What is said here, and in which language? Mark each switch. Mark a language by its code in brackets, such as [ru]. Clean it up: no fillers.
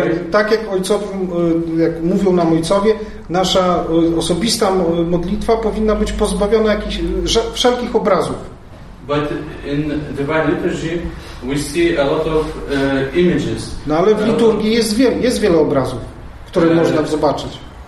[pl] Tak jak ojcowie, jak mówią nam ojcowie, nasza osobista modlitwa powinna być pozbawiona jakichś wszelkich obrazów. [en] But in divine liturgy we see a lot of images. [pl] No ale w liturgii jest wiele obrazów, które można zobaczyć.